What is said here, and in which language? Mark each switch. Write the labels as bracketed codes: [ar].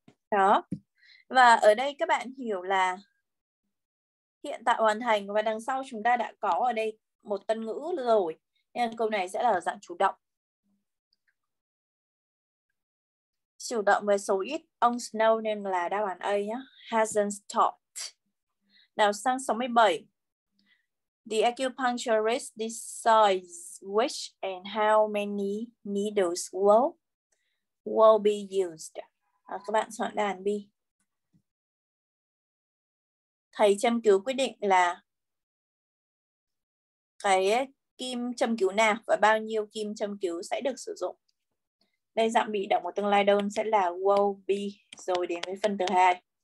[vi] Đó. Và ở đây các bạn hiểu là hiện tại hoàn thành và đằng sau chúng ta đã có ở đây một tân ngữ rồi. Nên câu này sẽ là dạng chủ động. Chủ động với số ít, ông Snow nên là đáp án A nhé. [en] Hasn't stopped. [vi] Nào, sang 67. [en] The acupuncturist decides which and how many needles will be used. [vi] À, các bạn soạn đáp án B. Thầy châm cứu quyết định là cái kim châm cứu nào và bao nhiêu kim châm cứu sẽ được sử dụng. Đây dạng bị động của tương lai đơn sẽ là will be, rồi đến với phần thứ hai.